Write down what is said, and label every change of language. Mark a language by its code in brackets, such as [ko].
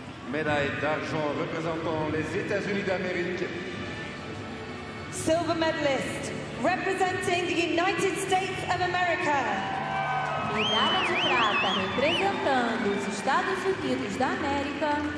[fr] médaille d'argent représentant les États-Unis d'Amérique. [en] Silver medalist representing the United States of America. [pt] Medalha de prata representando os Estados Unidos da América.